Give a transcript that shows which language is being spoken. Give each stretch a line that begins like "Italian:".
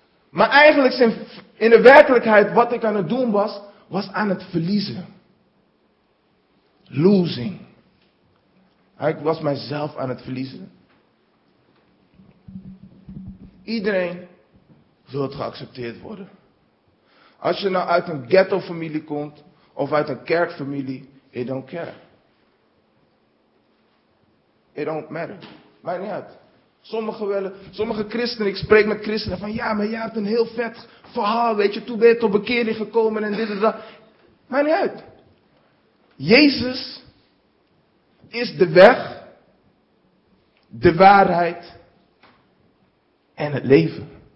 Dutch: Maar eigenlijk in de werkelijkheid wat ik aan het doen was, was aan het verliezen. Losing. Ik was mijzelf aan het verliezen. Iedereen wil het geaccepteerd worden. Als je nou uit een ghetto familie komt. Of uit een kerkfamilie.
English: It don't care. It don't matter.
Dutch: Maakt niet uit. Sommige christenen. Ik spreek met christenen. Van ja, maar jij hebt een heel vet verhaal. Weet je. Toen ben je tot bekering gekomen. En dit en dat. Maakt niet uit. Jezus is de weg. De waarheid. En het leven.